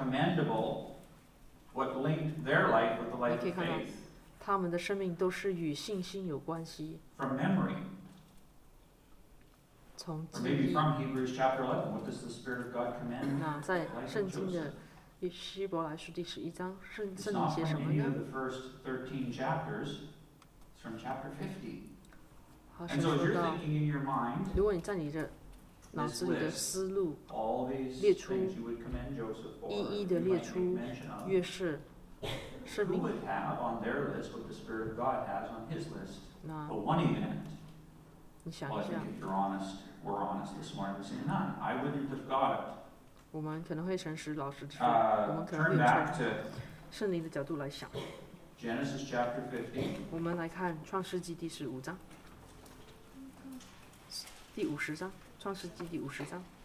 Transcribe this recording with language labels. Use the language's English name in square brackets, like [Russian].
[Chinese] 你可以看到，他们的生命都是与信心有关系。从记忆。 [English] Or maybe from Hebrews chapter 11, what does the Spirit of God command? [Chinese] 那在圣经的希伯来书第十一章，圣灵写什么呢？ [English] It's not from any of the first 13 chapters. It's from chapter 50. And so if you're thinking in your mind, [Chinese] 如果你在你的脑子里的思路列出一一的列出约瑟生命， [English] who would have on their list what the Spirit of God has on his list? But one event. [Chinese] 你想一下， [English] well, I think if you're honest, we're honest this morning, we say none. I wouldn't have got it. [Chinese] 我们可能会诚实老实说，我们可能会从圣灵的角度来想。 [English] Genesis chapter 15. [Chinese] 我们来看创世纪第十五章，第五十章，创世纪第五十章。